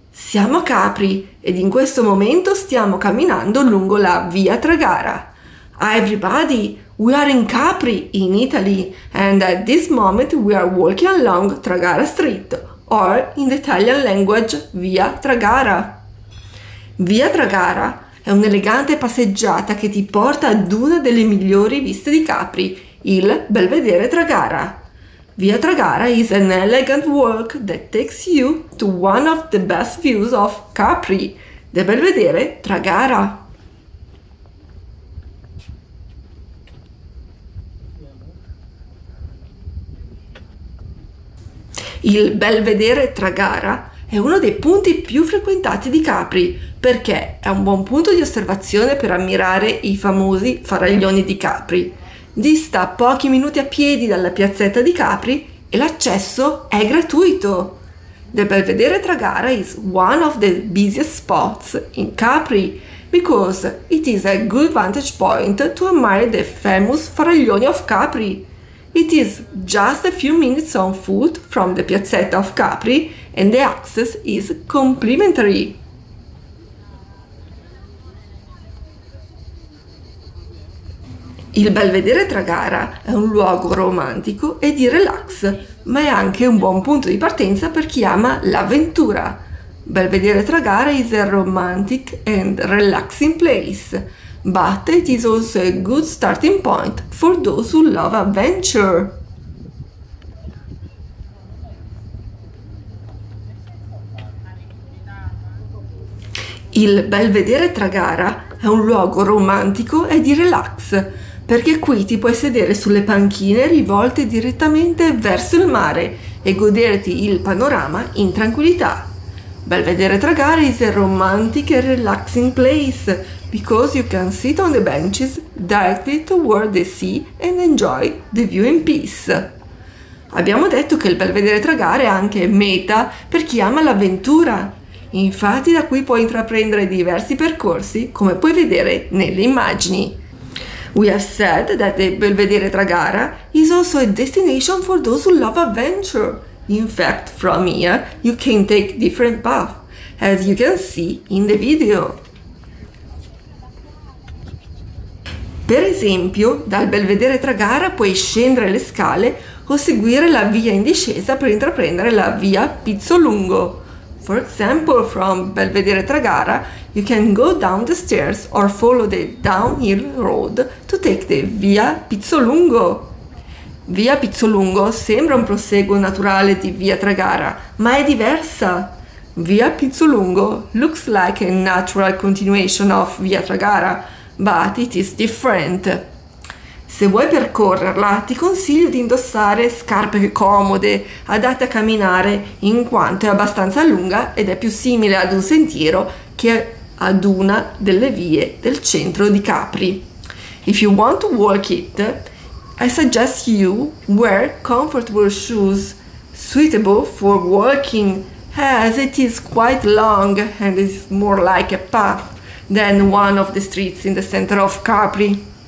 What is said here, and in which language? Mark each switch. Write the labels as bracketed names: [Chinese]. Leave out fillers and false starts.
[Italian] Siamo Capri ed in questo momento stiamo camminando lungo la Via Tragara. [English] Hi everybody! We are in Capri, in Italy, and at this moment we are walking along Tragara Street, or in the Italian language Via Tragara. [Italian] Via Tragara è un'elegante passeggiata che ti porta ad una delle migliori viste di Capri, il Belvedere Tragara. [English] Via Tragara is an elegant walk that takes you to one of the best views of Capri, the Belvedere Tragara. [Italian] Il Belvedere Tragara è uno dei punti più frequentati di Capri perché è un buon punto di osservazione per ammirare i famosi faraglioni di Capri. Dista pochi minuti a piedi dalla piazzetta di Capri e l'accesso è gratuito. [English] The Belvedere Tragara is one of the busiest spots in Capri because it is a good vantage point to admire the famous faraglioni of Capri. It is just a few minutes on foot from the piazzetta of Capri and the access is complimentary. [Italian] Il Belvedere Tragara è un luogo romantico e di relax, ma è anche un buon punto di partenza per chi ama l'avventura. [English] Belvedere Tragara is a romantic and relaxing place, but it is also a good starting point for those who love adventure. [Italian] Il Belvedere Tragara è un luogo romantico e di relax, perché qui ti puoi sedere sulle panchine rivolte direttamente verso il mare e goderti il panorama in tranquillità. [English] Belvedere Tragara is a romantic and relaxing place because you can sit on the benches directly toward the sea and enjoy the view in peace. [Italian] Abbiamo detto che il Belvedere Tragara è anche meta per chi ama l'avventura. Infatti da qui puoi intraprendere diversi percorsi come puoi vedere nelle immagini. [English] We have said that the Belvedere Tragara is also a destination for those who love adventure. In fact, from here, you can take different paths, as you can see in the video. [Italian] Per esempio, dal Belvedere Tragara puoi scendere le scale o seguire la via in discesa per intraprendere la via Pizzolungo. [English] For example, from Belvedere Tragara, you can go down the stairs or follow the downhill road to take the Via Pizzolungo. [Italian] Via Pizzolungo sembra un proseguo naturale di Via Tragara, ma è diversa. [English] Via Pizzolungo looks like a natural continuation of Via Tragara, but it is different. [Italian] Se vuoi percorrerla, ti consiglio di indossare scarpe comode, adatte a camminare, in quanto è abbastanza lunga ed è più simile ad un sentiero che ad una delle vie del centro di Capri. [English] If you want to walk it, I suggest you wear comfortable shoes suitable for walking, as it is quite long and is more like a path than one of the streets in the center of Capri.